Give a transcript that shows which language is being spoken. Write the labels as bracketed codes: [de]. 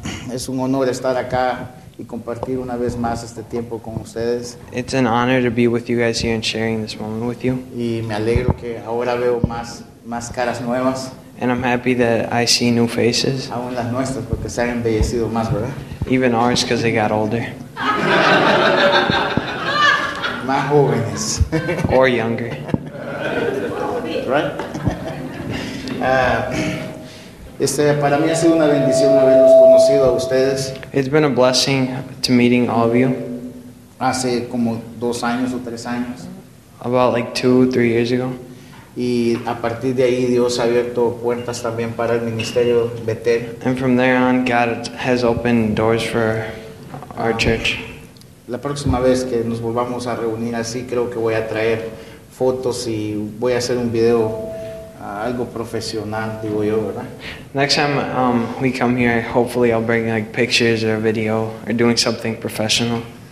[es] Es un honor estar acá y compartir una vez más este tiempo con ustedes. [en] It's an honor to be with you guys here and sharing this moment with you. [es] Y me alegro que ahora veo más caras nuevas. [en] And I'm happy that I see new faces. [es] Aún las nuestras porque se han embellecido más, ¿verdad? [en] Even ours because they got older. [es] Más jóvenes. [en] Or younger. Right? [es] Para mí ha sido una bendición haberlos conocido a ustedes. [en] It's been a blessing to meeting all of you. [es] Hace como dos años o tres años. [en] About like 2-3 years ago. [es] Y a partir de ahí Dios ha abierto puertas también para el ministerio Betel. [en] And from there on, God has opened doors for our church. [es] La próxima vez que nos volvamos a reunir así, creo que voy a traer fotos y voy a hacer un video. Algo profesional, digo yo, ¿verdad? [en] Next time we come here, hopefully I'll bring like pictures or a video or doing something professional.